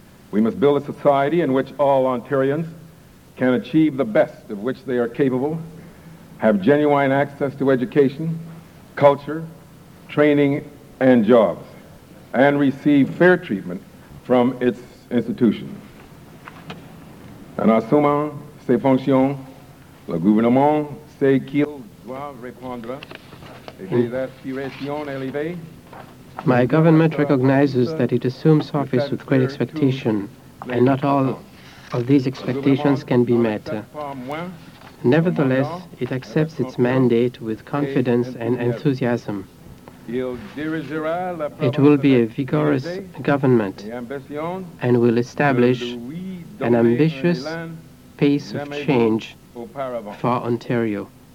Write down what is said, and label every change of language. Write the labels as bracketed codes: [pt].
[en] We must build a society in which all Ontarians can achieve the best of which they are capable, have genuine access to education, culture, training, and jobs, and receive fair treatment from its institutions. [fr] En assumant ses fonctions, le gouvernement sait qu'il doit répondre à des aspirations élevées. [en] My government recognizes that it assumes office with great expectation, and not all of these expectations can be met. Nevertheless, it accepts its mandate with confidence and enthusiasm. It will be a vigorous government and will establish an ambitious pace of change for Ontario.